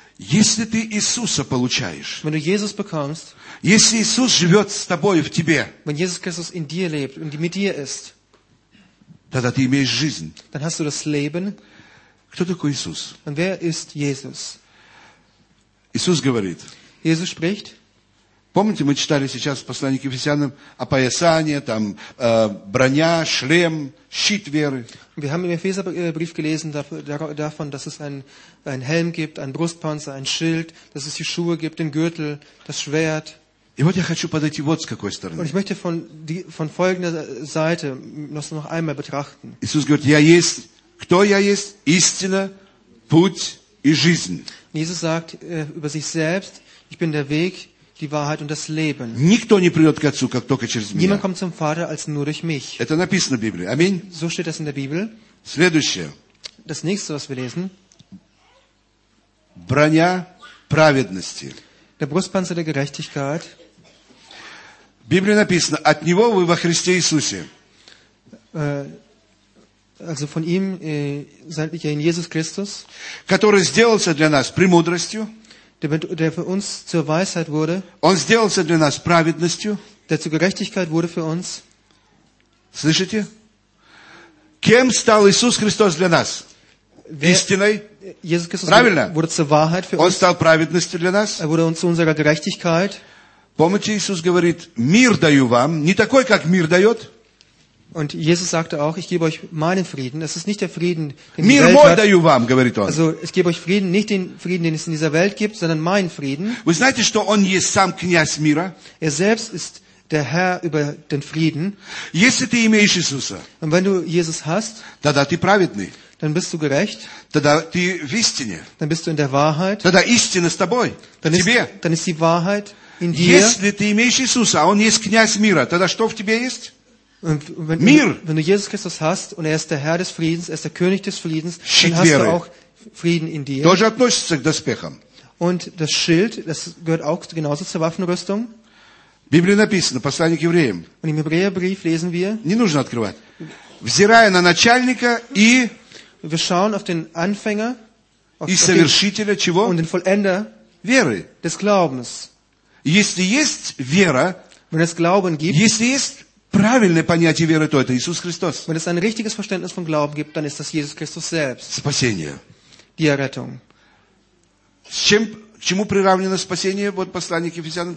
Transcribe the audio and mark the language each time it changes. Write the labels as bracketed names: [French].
[Russian] Если ты Иисуса получаешь. [German] Wenn du Jesus bekommst. [Russian] Если Иисус живет с тобой, в тебе. [German] Wenn Jesus Christus in dir lebt und mit dir ist. [Russian] Тогда ты имеешь жизнь. [German] Dann hast du das Leben. [Russian] Кто такой Иисус? [German] Und wer ist Jesus? [Russian] Иисус говорит. [German] Jesus spricht. [Russian] Помните, мы читали сейчас в послании к Ефесянам опоясание, там, броня, шлем, щит веры. [German] Wir haben im Epheserbrief gelesen davon, dass es ein Helm gibt, ein Brustpanzer, ein Schild, dass es die Schuhe gibt, den Gürtel, das Schwert. [Russian] И вот я хочу подойти вот с какой стороны. [German] Und ich möchte von folgender Seite noch einmal betrachten. [Russian] Иисус говорит, я есть. Кто я есть? Истина, путь и жизнь. [German] Jesus sagt über sich selbst, ich bin der Weg, die Wahrheit und das Leben. [Russian] Никто не придет к Отцу, как только через меня. [German] Niemand kommt zum Vater, als nur durch mich. [Russian] Это написано в Библии. Аминь. [German] So steht das in der Bibel. [Russian] Следующее. [German] Das nächste, was wir lesen. [Russian] Броня праведности. [German] Der Brustpanzer der Gerechtigkeit. [Russian] В Библии написано, от Него вы во Христе Иисусе. [German] Also von ihm seid ihr in Jesus Christus, [Russian] который сделался для нас премудростью, [German] der für uns zur Weisheit wurde, [Russian] он сделался для нас праведностью, [German] der zur Gerechtigkeit wurde für uns. [Russian] Слышите? Кем стал Иисус Христос для нас? Истиной? [German] Jesus Christus [Russian] правильно? [German] Wurde zur Wahrheit für [Russian] он Он стал праведностью для нас. [German] Er wurde uns zu unserer Gerechtigkeit. [Russian] Помните, Иисус говорит, мир даю вам, не такой, как мир дает. [German] Und Jesus sagte auch, ich gebe euch meinen Frieden. Es ist nicht der Frieden, den die Welt hat. [Russian] Вам, говорит он. [German] Also, ich gebe euch Frieden, nicht den Frieden, den es in dieser Welt gibt, sondern meinen Frieden. [Russian] Вы знаете, что он есть сам князь мира? [German] Er selbst ist der Herr über den Frieden. [Russian] Если ты имеешь Иисуса, [German] und wenn du Jesus hast, [Russian] тогда ты праведный. [German] Dann bist du gerecht. [Russian] Тогда ты в истине. [German] Dann bist du in der Wahrheit. [Russian] Тогда истина с тобой. [German] Dann ist die Wahrheit in dir. [Russian] Если ты имеешь Иисуса, а он есть князь мира, тогда что в тебе есть? [German] Wenn du Jesus Christus hast und er ist der Herr des Friedens, er ist der König des Friedens, dann hast du auch Frieden in dir. [Russian] Тоже относится к доспехам. [German] Und das Schild, das gehört auch genauso zur Waffenrüstung. [Russian] Библии написано, послание к евреям. [German] Und im Hebräerbrief lesen wir. [Russian] Не нужно открывать. Взирая на начальника и. [German] Wir schauen auf den Anfänger. [Russian] И совершителя чего? [German] Und den Vollender. [Russian] Веры. [German] Des Glaubens. [Russian] Если есть вера. [German] Wenn es Glauben gibt. [Russian] Если есть правильное понятие веры, то это Иисус Христос. [German] Wenn es ein richtiges Verständnis von Glauben gibt, dann ist das Jesus Christus selbst. [Russian] Спасение. [German] Die Errettung. [Russian] Чему приравнено спасение? Вот послание к Ефесянам.